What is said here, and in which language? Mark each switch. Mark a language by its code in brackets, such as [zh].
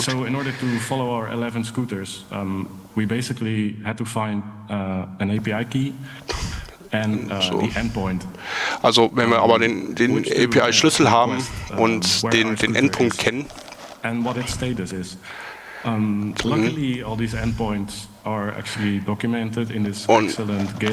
[en] So in order to follow our 11 scooters, we basically had to find an API key and so. The endpoint. [de] Also wenn wir aber den API Schlüssel haben und den Endpunkt kennen, [en] and what its status is. Luckily, all these endpoints are actually documented in this excellent Git.